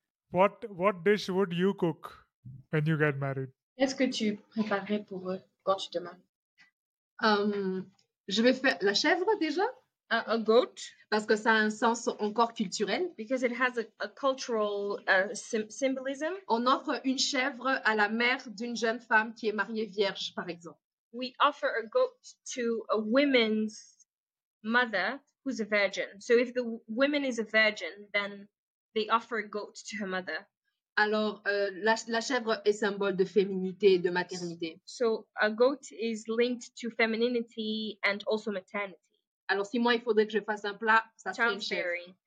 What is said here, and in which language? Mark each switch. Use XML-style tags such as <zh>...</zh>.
<en>What dish would you cook when you get married?</en> <fr>Qu'est-ce que tu préparerais pour eux quand tu te maries? Je vais faire la chèvre déjà.</fr> <en>A goat.</en> <fr>Parce que ça a un sens encore culturel.</fr> <en>Because it has a cultural symbolism.</en> <fr>On offre une chèvre à la mère d'une jeune femme qui est mariée vierge, par exemple.</fr> <en>We offer a goat to a woman's mother who's a virgin. So if the woman is a virgin, then they offer a goat to her mother.</en> <fr>Alors, la chèvre est symbole de féminité et de maternité.</fr> <en>So a goat is linked to femininity and also maternity.</en> <fr>Alors, si moi, il faudrait que je fasse un plat, ça serait une chèvre.</fr>